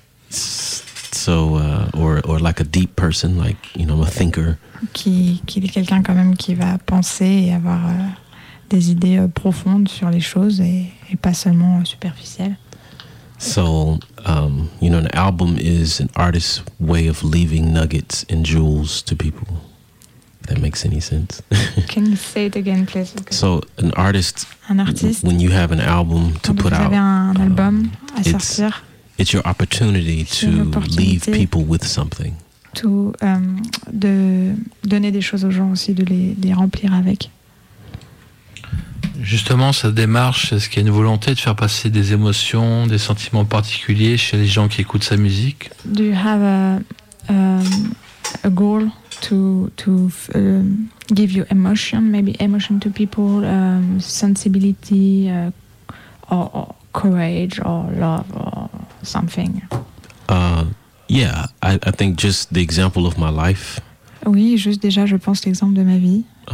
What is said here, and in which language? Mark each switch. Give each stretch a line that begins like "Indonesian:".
English: So, or like a deep person, like, you know, a thinker.
French: Qui est quelqu'un quand même qui va penser et avoir des idées profondes sur les choses et pas seulement superficielles.
English: So, you know, an album is an artist's way of leaving nuggets and jewels to people. If that makes any sense. Can you say it again, please? So, an artist, when you have an album to put out,
French: un album à sortir,
English: It's your opportunity to leave people with something.
French: To, de donner des choses aux gens aussi, de les remplir avec. Justement, cette démarche, est-ce qu'il y a une volonté de faire passer des émotions, des sentiments particuliers chez les gens qui écoutent sa musique?
English: Do you have a goal to give you emotion, maybe emotion to people, sensibility, or courage, or love, or something? Yeah, I think just the example of my life.
French: Oui, juste déjà, je pense l'exemple de ma vie.